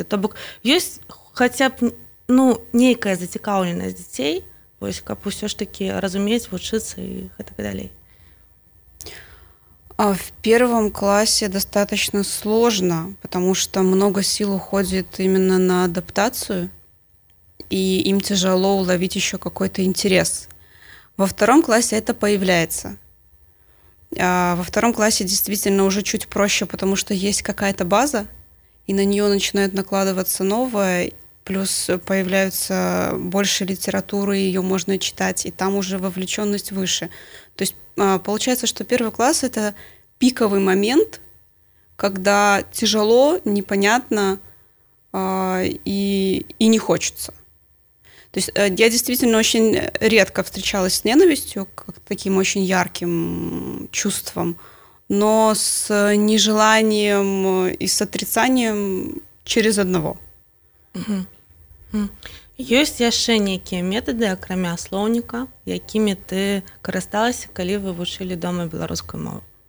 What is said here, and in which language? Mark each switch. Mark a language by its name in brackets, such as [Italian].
[Belarusian] То бок, ёсць хаця б, ну, нейкая зацікаўленасць дзяцей, вось, каб усё ж такі разумець, вучыцца і гэтак далей. [Russian] А в первом классе достаточно сложно, потому что много сил уходит именно на адаптацию, и им тяжело уловить еще какой-то интерес. Во втором классе это появляется. А во втором классе действительно уже чуть проще, потому что есть какая-то база, и на нее начинают накладываться новое, плюс появляются больше литературы, ее можно читать, и там уже вовлеченность выше. То есть получается, что первый класс – это пиковый момент, когда тяжело, непонятно и не хочется. То есть я действительно очень редко встречалась с ненавистью, как таким очень ярким чувством, но с нежеланием и с отрицанием через одного. [Belarusian] Ёсць яшчэ нейкія метады, акрамя слоўніка, якімі ты карысталася, калі вы вучылі дома беларускую мову?